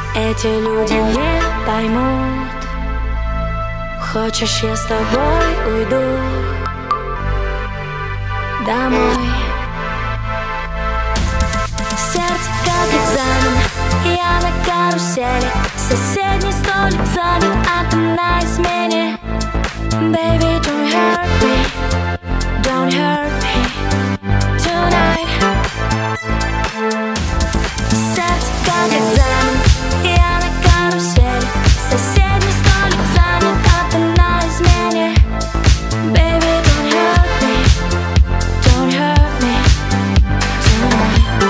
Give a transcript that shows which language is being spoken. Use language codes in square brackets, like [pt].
[ru] эти люди не поймут. Хочешь, я с тобой уйду домой. Сердце как экзамен, я на карусели. Соседний столик занят, а ты на измене. [en] Baby, don't hurt me, don't hurt me tonight. [ru] Сердце как экзамен, я на карусели. Соседний столик занят, а ты на измене. [en] Baby, don't hurt me, don't hurt me tonight.